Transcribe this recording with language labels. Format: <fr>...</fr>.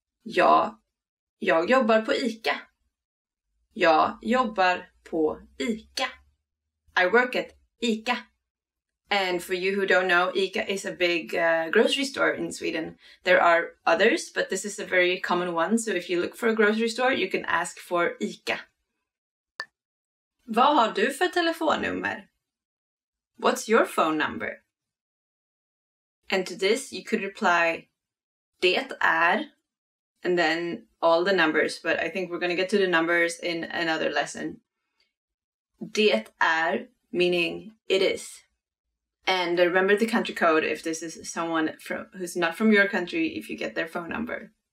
<sv>Jag jobbar på ICA. Jag jobbar på ICA.</sv> <en>I work at ICA. And for you who don't know, ICA is a big grocery store in Sweden. There are others, but this is a very common one. So if you look for a grocery store, you can ask for ICA.</en> <sv>Vad har du för telefonnummer?</sv> <en>What's your phone number? And to this you could reply,</en> <sv>det är,</sv> <en>and then all the numbers, but I think we're going to get to the numbers in another lesson.</en> <sv>Det är,</sv> <en>meaning it is. And remember the country code if this is someone from who's not from your country, if you get their phone number.</en>